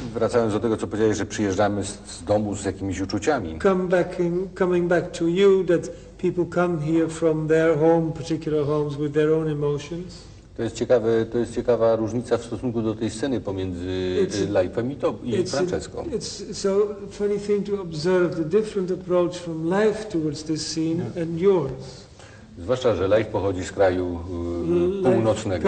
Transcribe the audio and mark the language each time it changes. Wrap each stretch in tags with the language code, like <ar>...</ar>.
<pl>Wracając do tego, co powiedziałeś, że przyjeżdżamy z domu z jakimiś uczuciami.</pl> <en>Coming back to you, that people come here from their home, particular homes, with their own emotions.</en> <pl>To jest ciekawa różnica w stosunku do tej sceny pomiędzy Leifem i Franceską.</pl> <en>It's so funny thing to observe the different approach from Leif towards this scene and yours.</en> <pl>Zwłaszcza, że Leif pochodzi z kraju północnego.</pl>